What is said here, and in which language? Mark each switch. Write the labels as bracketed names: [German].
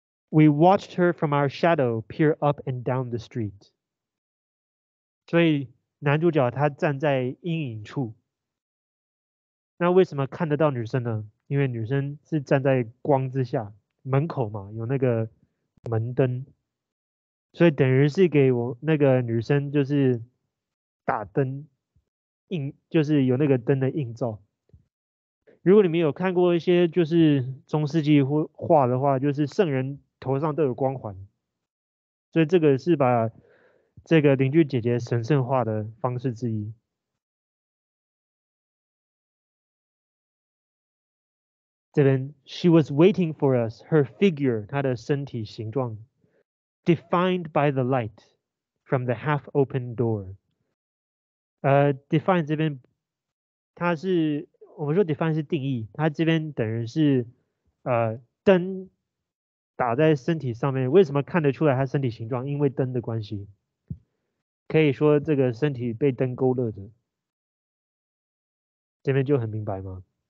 [English] We watched her from our shadow peer up and down the street。 [Chinese] 所以男主角他站在阴影处。那为什么看得到女生呢？因为女生是站在光之下。门口嘛，有那个门灯，所以等于是给我那个女生就是打灯，就是有那个灯的映照。如果你们有看过一些就是中世纪画的话，就是圣人头上都有光环，所以这个是把这个邻居姐姐神圣化的方式之一。这边 [English] ，She was waiting for us. Her figure, [Chinese] 她的身体形状 [English] ，defined by the light from the half-open door. [Chinese] Define 这边，它是我们说 define 是定义，它这边等于是灯打在身体上面，为什么看得出来她身体形状？因为灯的关系，可以说这个身体被灯勾勒着，这边就很明白吗？